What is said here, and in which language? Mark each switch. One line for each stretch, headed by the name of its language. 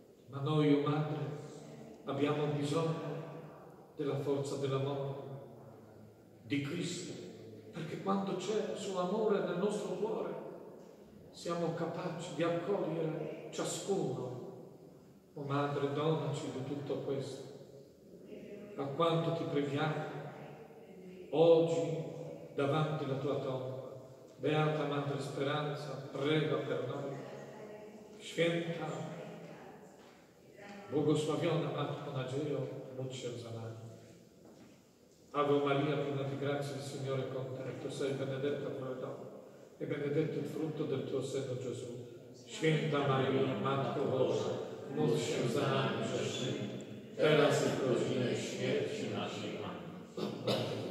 Italian: Ma noi, o Madre, abbiamo bisogno della forza dell'amore, di Cristo, perché quando c'è suo amore nel nostro cuore, siamo capaci di accogliere ciascuno. O Madre, donaci di tutto questo. A quanto ti preghiamo oggi davanti alla tua tomba, Beata Madre Speranza, prega per noi.
Polish: Święta, błogosławiona Matko Nadziejo, módl się za nami.
Italian: Ave Maria, piena di grazia, il Signore con te. Tu sei benedetta fra le donne e benedetto il frutto del tuo seno, Gesù.
Polish: Święta Maria, Matko Boża, módl się za nami grzesznymi, teraz i w godzinę śmierci naszej. Amen.